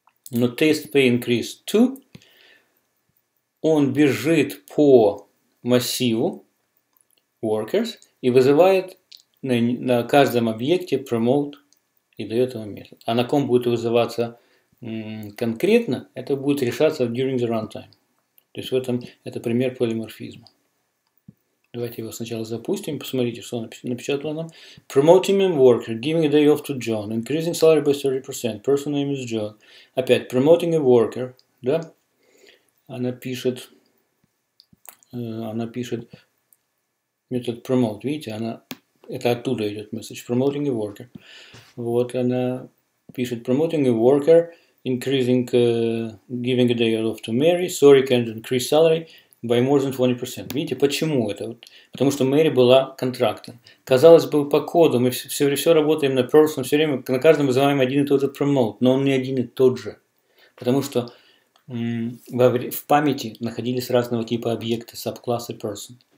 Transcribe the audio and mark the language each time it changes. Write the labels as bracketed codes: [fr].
[ru] Но test pay increase to, он бежит по массиву workers и вызывает на каждом объекте promote и дает ему метод. А на ком будет вызываться конкретно, это будет решаться [en] during the runtime. [ru] То есть в этом это пример полиморфизма. Давайте его сначала запустим. Посмотрите, что напечатало нам. [en] Promoting a worker, giving a day off to John, increasing salary by 30%, person name is John. [ru] Опять, [en] promoting a worker, [ru] да? Она пишет метод promote. Видите, она, это оттуда идет месседж. [en] Promoting a worker. [ru] Вот она пишет [en] promoting a worker, increasing, giving a day off to Mary, sorry, can't increase salary by more than 20%. [ru] Видите, почему это? Вот, потому что Мэри была контрактом. Казалось бы, по коду мы все работаем на person, все время на каждом вызываем один и тот же promote, но он не один и тот же. Потому что в памяти находились разного типа объекты, subclass и person.